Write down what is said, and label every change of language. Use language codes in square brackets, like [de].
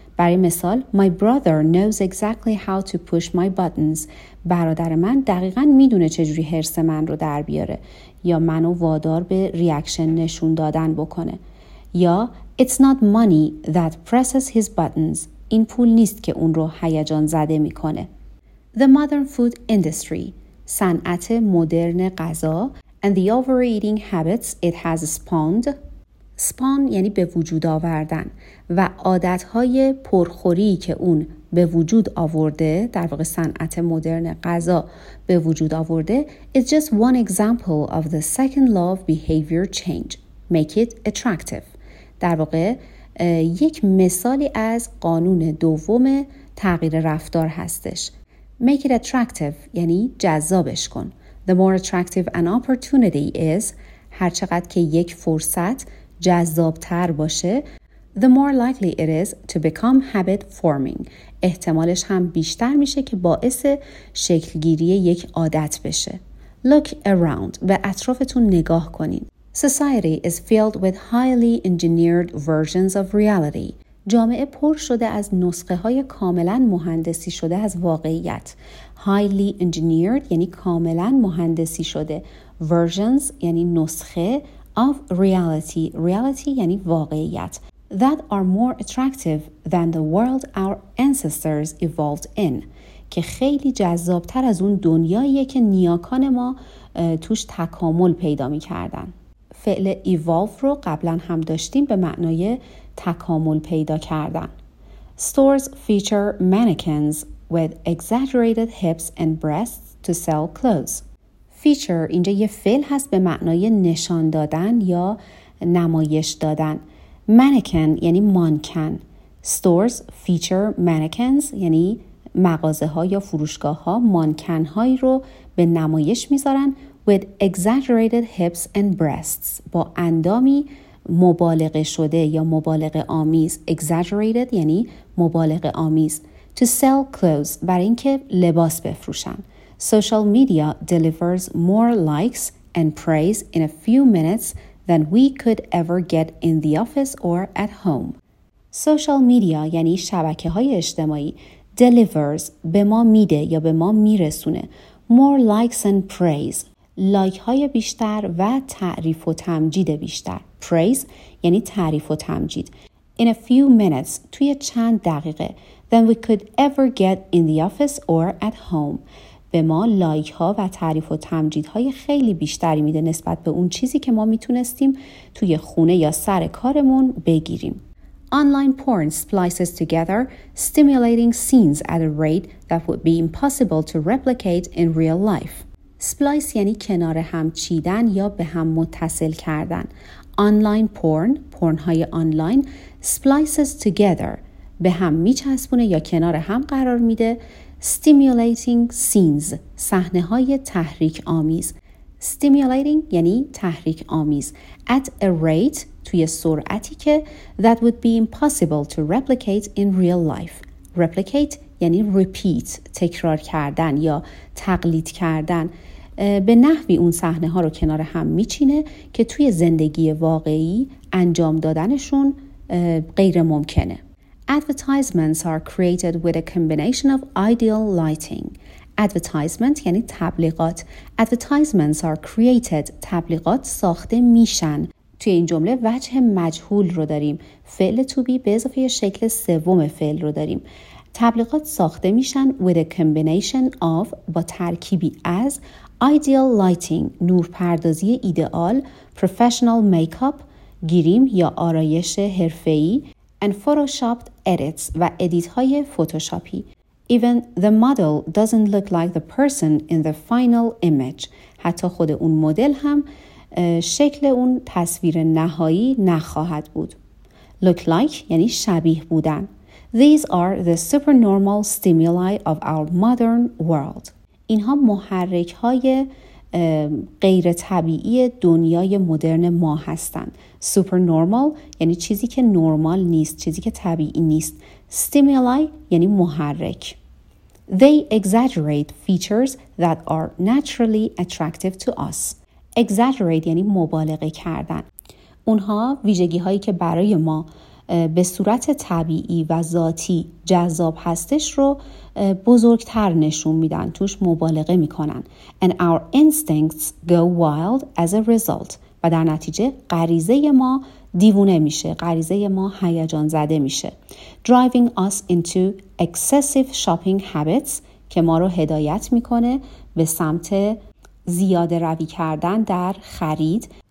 [fa] برای مثال [en] My brother knows exactly how to push my buttons. [fa] برادر من دقیقاً میدونه چجوری حرص من رو در بیاره یا منو وادار به ریاکشن نشون دادن بکنه. [en] یا It's not money that presses his buttons. [fa] این پول نیست که اون رو هیجان زده میکنه. [en] The modern food industry. [fa] صنعت مدرن غذا [en] and the overeating habits it has spawned. [fa] Spawn یعنی به وجود آوردن و عادت‌های پرخوری که اون به وجود آورده در واقع صنعت مدرن غذا به وجود آورده [en] is just one example of the second law of behavior change. Make it attractive. [fa] در واقع یک مثالی از قانون دوم تغییر رفتار هستش. [en] Make it attractive [fa] یعنی جذابش کن. [en] The more attractive an opportunity is [fa] هرچقدر که یک فرصت جذابتر باشه [en] the more likely it is to become habit forming [fa] احتمالش هم بیشتر میشه که باعث شکلگیری یک عادت بشه. [en] Look around [fa] به اطرافتون نگاه کنین. [en] Society is filled with highly engineered versions of reality. [fa] جامعه پر شده از نسخه های کاملا مهندسی شده از واقعیت. [en] Highly engineered [fa] یعنی کاملا مهندسی شده. versions یعنی نسخه of reality، reality یعنی واقعیت، [en] that are more attractive than the world our ancestors evolved in، [fa] که خیلی جذابتر از اون دنیاییه که نیاکان ما توش تکامل پیدا می کردن. فعل evolve رو قبلا هم داشتیم به معنای تکامل پیدا کردن. [en] Stores feature mannequins with exaggerated hips and breasts to sell clothes. [fa] Feature اینجا یه فعل هست به معنای نشان دادن یا نمایش دادن. Mannequin یعنی مانکن. [en] Stores feature mannequins [fa] یعنی مغازه ها یا فروشگاه ها مانکن هایی رو به نمایش میذارن [en] with exaggerated hips and breasts، [fa] با اندامی مبالغه شده یا مبالغه آمیز. exaggerated یعنی مبالغه آمیز. [en] to sell clothes [fa] برای اینکه لباس بفروشن. [en] social media delivers more likes and praise in a few minutes than we could ever get in the office or at home. [fa] social media یعنی شبکه های اجتماعی delivers به ما میده یا به ما میرسونه [en] more likes and praise، [fa] لایک های بیشتر و تعریف و تمجید بیشتر. praise یعنی تعریف و تمجید. [en] in a few minutes [fa] توی چند دقیقه [en] than we could ever get in the office or at home، [fa] به ما لایک ها و تعریف و تمجید های خیلی بیشتری میده نسبت به اون چیزی که ما میتونستیم توی خونه یا سر کارمون بگیریم. [en] Online porn splices together stimulating scenes at a rate that would be impossible to replicate in real life. [fa] Splice یعنی کنار هم چیدن یا به هم متصل کردن. Online porn، پورن های آنلاین، [en] splices together، [fa] به هم میچسبونه یا کنار هم قرار میده [en] stimulating scenes، [fa] صحنه های تحریک آمیز. Stimulating یعنی تحریک آمیز. [en] At a rate، [fa] توی سرعتی که [en] that would be impossible to replicate in real life. [fa] Replicate یعنی repeat، تکرار کردن یا تقلید کردن. به نحوی اون صحنه ها رو کنار هم میچینه که توی زندگی واقعی انجام دادنشون غیر ممکنه. [en] Advertisements are created with a combination of ideal lighting. [fa] Advertisement یعنی تبلیغات. [en] Advertisements are created، [fa] تبلیغات ساخته میشن. توی این جمله وجه مجهول رو داریم، فعل to be به اضافه شکل سوم فعل رو داریم. تبلیغات ساخته میشن [en] with a combination of، [fa] با ترکیبی از [en] ideal lighting، [fa] نورپردازی ایدئال، [en] professional makeup، [fa] گریم یا آرایش حرفه‌ای، [en] and photoshopped edits، [fa] و ادیت های فتوشاپی. [en] Even the model doesn't look like the person in the final image. [fa] حتی خود اون مدل هم شکل اون تصویر نهایی نخواهد بود. Look like یعنی شبیه بودن. [en] These are the supernormal stimuli of our modern world. [fa] اینها محرک های غیر طبیعی دنیای مدرن ما هستند. Supernormal یعنی چیزی که نرمال نیست، چیزی که طبیعی نیست. Stimuli یعنی محرک. [en] They exaggerate features that are naturally attractive to us. [fa] Exaggerate یعنی مبالغه کردن. اونها ویژگی هایی که برای ما به صورت طبیعی و ذاتی جذاب هستش رو بزرگتر نشون میدن، توش مبالغه میکنن. [en] And our instincts go wild as a result. [fa] و در نتیجه غریزه ما دیوونه میشه، غریزه ما هیجان زده میشه. [en] Driving us into excessive shopping habits، [fa] که ما رو هدایت میکنه به سمت زیاده روی کردن در خرید.